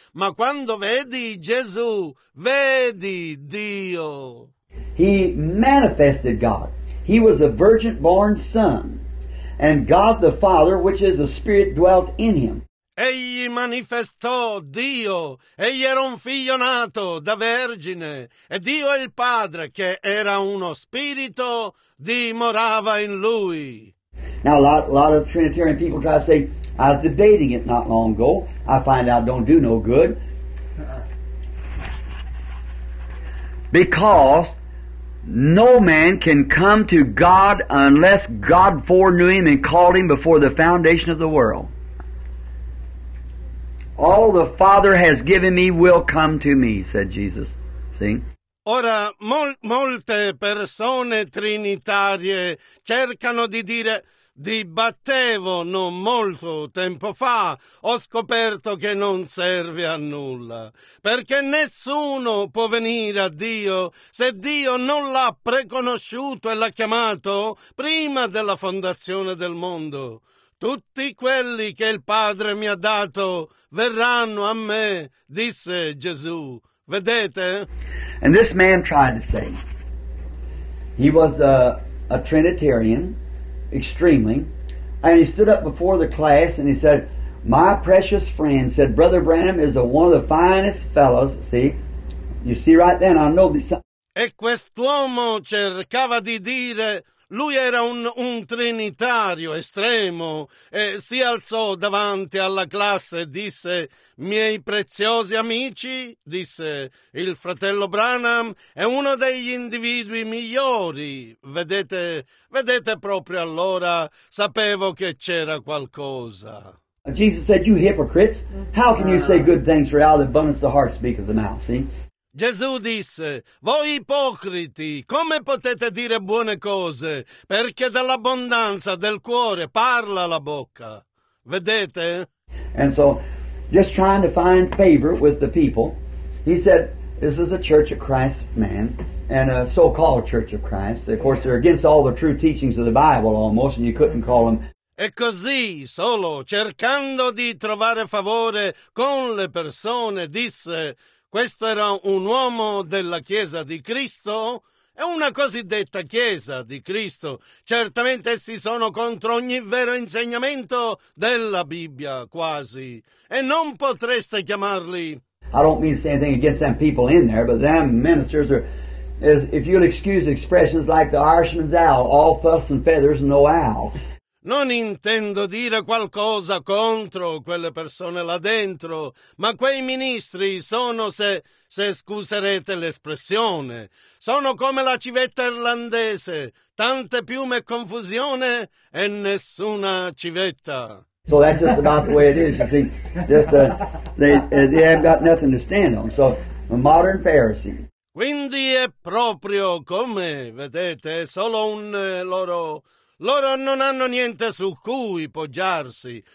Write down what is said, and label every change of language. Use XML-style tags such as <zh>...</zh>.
<it>Ma quando vedi Gesù, vedi Dio.</it> <en>He manifested God. He was a virgin-born son. And God the Father, which is a spirit, dwelt in him.</en> <it>Egli manifestò Dio. Egli era un figlio nato da vergine. E Dio il Padre, che era uno spirito, dimorava in lui.</it> <en>Now, a lot of Trinitarian people try to say, I was debating it not long ago. I find out it don't do no good. Because no man can come to God unless God foreknew him and called him before the foundation of the world. All the Father has given me will come to me, said Jesus. See?</en> <it>Ora, molte persone trinitarie cercano di dire... Dibattevo non molto tempo fa, ho scoperto che non serve a nulla, perché nessuno può venire a Dio se Dio non l'ha preconosciuto e l'ha chiamato prima della fondazione del mondo. Tutti quelli che il Padre mi ha dato verranno a me, disse Gesù. Vedete?</it> <en>And this man tried to say, he was a Trinitarian, extremely, and he stood up before the class and he said, my precious friend, said Brother Branham is one of the finest fellows, see, you see right then, I know this.</en> <it>E quest'uomo cercava di dire, lui era un trinitario estremo, e si alzò davanti alla classe e disse, miei preziosi amici, disse, il fratello Branham è uno degli individui migliori, vedete proprio allora, sapevo che c'era qualcosa.</it> <en>Jesus said, you hypocrites, how can you say good things for out of the abundance of the heart speak of the mouth? See?</en> <it>Gesù disse, voi ipocriti, come potete dire buone cose? Perché dall'abbondanza del cuore parla la bocca. Vedete?</it> <en>And so, just trying to find favor with the people, he said, this is a Church of Christ man, and a so-called Church of Christ. Of course, they're against all the true teachings of the Bible almost, and you couldn't call them.</en> <it>E così, solo cercando di trovare favore con le persone, disse, questo era un uomo della Chiesa di Cristo, è una cosiddetta Chiesa di Cristo. Certamente essi sono contro ogni vero insegnamento della Bibbia, quasi. E non potreste chiamarli...</it> <en>I don't mean to say anything against them people in there, but them ministers are, is, if you'll excuse expressions like the Irishman's owl, all fuss and feathers and no owl.</en> <it>Non intendo dire qualcosa contro quelle persone là dentro, ma quei ministri sono, se scuserete l'espressione, sono come la civetta irlandese, tante piume e confusione e nessuna civetta.</it> <en>So that's just about the way it is, you see. Just they have got nothing to stand on. So a modern Pharisee.</en> <it>Quindi è proprio come vedete, solo un loro non hanno niente su cui poggiarsi.</it>